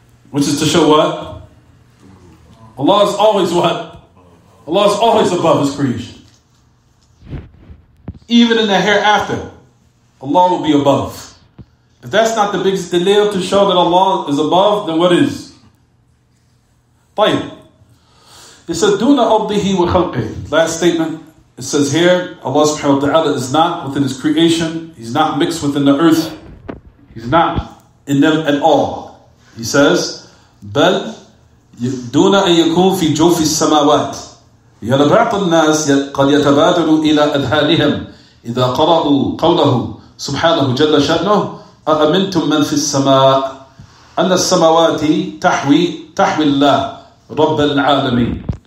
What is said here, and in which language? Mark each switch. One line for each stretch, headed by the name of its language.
English: Which is to show what? Allah is always what? Allah is always above his creation. Even in the hereafter, Allah will be above. If that's not the biggest delay to show that Allah is above, then what is?
Arabic: طيب.
English: It says,
Arabic: دُونَ أَرْضِهِ وَخَلْقِهِ.
English: Last statement. It says here, Allah subhanahu wa ta'ala is not within his creation. He's not mixed within the earth. He's not in them at all. He says,
Arabic: بَلْ دُونَ أَن يَكُونَ فِي جَوْفِ السَّمَاوَاتِ يَلَبَعْطَ النَّاسِ قَدْ يَتَبَادَلُوا إِلَىٰ أَذْهَانِهِمْ إِذَا قَرَأُوا قَوْلَهُ سُبْحَانَهُ جَلَّ شَأْنُهُ أَأَمِنْتُمْ مَنْ فِي السَّمَاءِ أَنَّ السَّمَاوَاتِ تَحْوِي اللَّهِ رَبَّ الْعَالَمِينَ.